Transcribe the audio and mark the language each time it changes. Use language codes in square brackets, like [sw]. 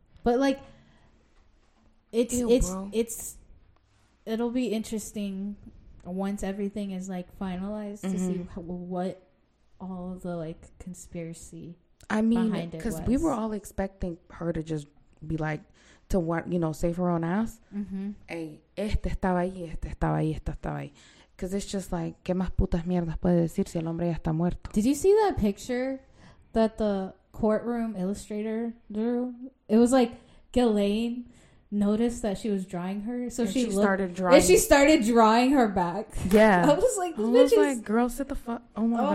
[en] But like, it'll be interesting once everything is like finalized, mm-hmm. to see what all the like conspiracy I mean, behind it was. 'Cause we were all expecting her to just be like, to what, you know, save her own ass. Mm-hmm. [es] Hey, este estaba ahí, este estaba ahí, este estaba ahí. [en] Because it's just like, [es] ¿qué más putas mierdas puede decir si el hombre ya está muerto? [en] Did you see that picture that the courtroom illustrator drew? It was like, Ghislaine noticed that she was drawing her. So she started drawing. And she started drawing her back. Yeah. I was like, girl, sit the fuck. Oh my God.